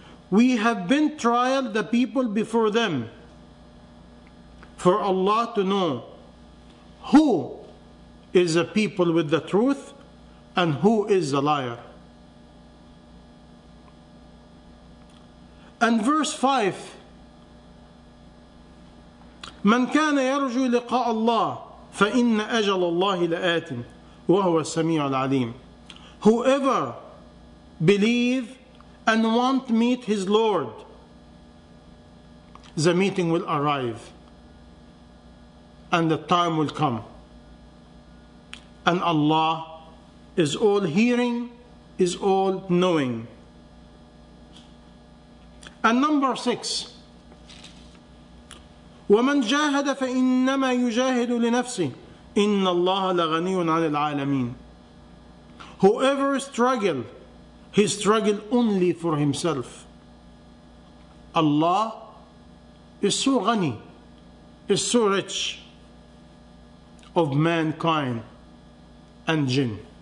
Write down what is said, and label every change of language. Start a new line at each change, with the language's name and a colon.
English: We have been trialed the people before them, for Allah to know who is the people with the truth and who is the liar. And verse 5,
Arabic: من كان يرجو لقاء الله فإن أجل الله لآت وهو السميع العليم.
English: Whoever believe and want meet his Lord, the meeting will arrive and the time will come. And Allah is all hearing, is all knowing. And number 6,
Arabic: وَمَنْ جَاهَدَ فَإِنَّمَا يُجَاهِدُ لِنَفْسِهِ إِنَّ اللَّهَ لَغَنِيٌّ عَنِ الْعَالَمِينَ.
English: Whoever struggle, he struggle only for himself. Allah is so ghani, is so rich of mankind and jinn.